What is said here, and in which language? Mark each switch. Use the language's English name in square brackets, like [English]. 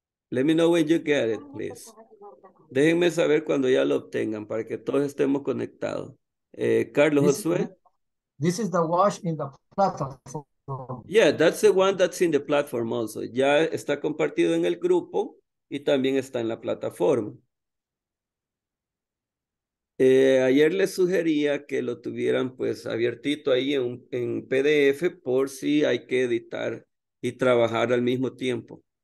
[English] Let me know when you get it, please. [Spanish] Déjenme saber cuando ya lo obtengan para que todos estemos conectados. Carlos Josué. [English] This is the wash in the platform. Yeah, that's the one that's in the platform also. [Spanish] Ya está compartido en el grupo y también está en la plataforma. Ayer les sugería que lo tuvieran pues abiertito ahí en PDF por si hay que editar y trabajar al mismo tiempo.